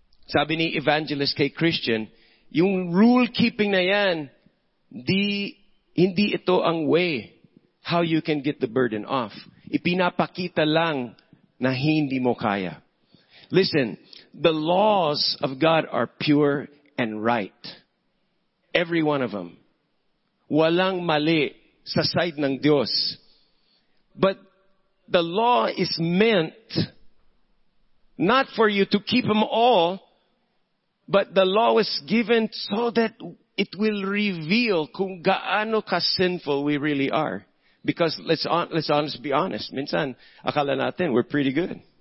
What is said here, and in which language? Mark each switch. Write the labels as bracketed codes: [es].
[tl] Sabi ni Evangelist kay Christian, yung rule keeping na yan, hindi ito ang way [en] how you can get the burden off. [tl] Ipinapakita lang na hindi mo kaya. [en] Listen, the laws of God are pure and right. Every one of them. [tl] Walang mali sa side ng Diyos. [en] But the law is meant not for you to keep them all, but the law is given so that it will reveal [tl] kung gaano ka [en] sinful we really are. Because let's be honest. [tl] Minsan, akala natin, [en] we're pretty good.